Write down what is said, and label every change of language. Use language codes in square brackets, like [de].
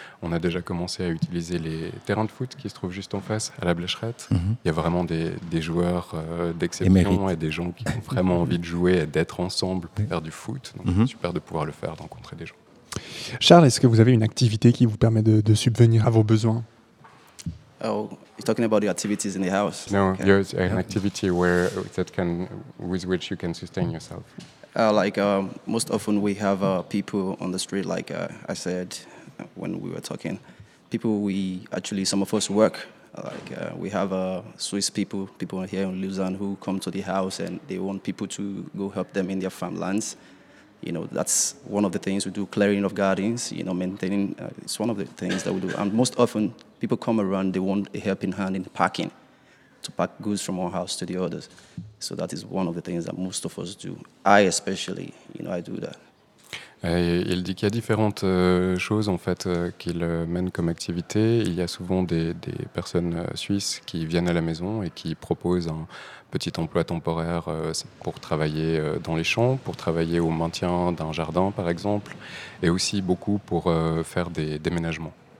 [fr] On a déjà commencé à utiliser les terrains de foot qui se trouvent juste en face, à la Blecherette. Mm-hmm. Il y a vraiment des joueurs d'exception et des gens qui ont vraiment envie de jouer et d'être ensemble pour faire du foot. Donc, mm-hmm. C'est super de pouvoir le faire, d'encontrer des gens. Charles, est-ce que vous avez une activité qui vous permet de subvenir à vos besoins? [en] Oh, you're talking about the activities in the house. No, okay. Yours, an activity where that can with which you can sustain yourself. Most often we have people on the street, like I said when we were talking. People we actually some of us work. Like we have Swiss people here in Lausanne who come to the house and they want people to go help them in their farmlands. You know, that's one of the things we do, clearing of gardens, you know, maintaining, it's one of the things that we do. And most often, people come around, they want a helping hand in packing, to pack goods from one house to the others. So that is one of the things that most of us do. I especially, you know, I do that. [fr] Il dit qu'il y a différentes choses en fait qu'il mène comme activité. Il y a souvent des personnes suisses qui viennent à la maison et qui proposent un petit emploi temporaire pour travailler dans les champs, pour travailler au maintien d'un jardin par exemple, et aussi beaucoup pour faire des déménagements.